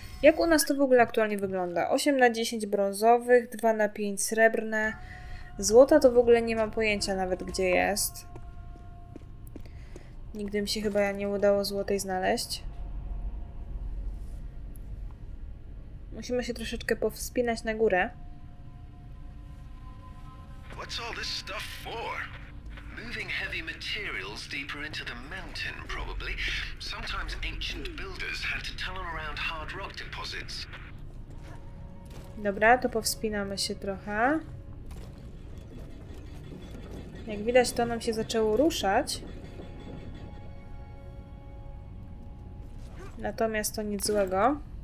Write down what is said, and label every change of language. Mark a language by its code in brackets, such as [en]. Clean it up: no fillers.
[pl] Jak u nas to w ogóle aktualnie wygląda? 8 na 10 brązowych, 2 na 5 srebrne. Złota to w ogóle nie mam pojęcia nawet, gdzie jest. Nigdy mi się chyba nie udało złotej znaleźć. Musimy się troszeczkę powspinać na górę. [en] What's all this stuff for? Moving heavy materials deeper into the mountain, probably. Sometimes ancient builders had to tunnel around hard rock deposits. [pl] Dobra, to powspinamy się trochę. Jak widać, to nam się zaczęło ruszać. Natomiast to nic złego.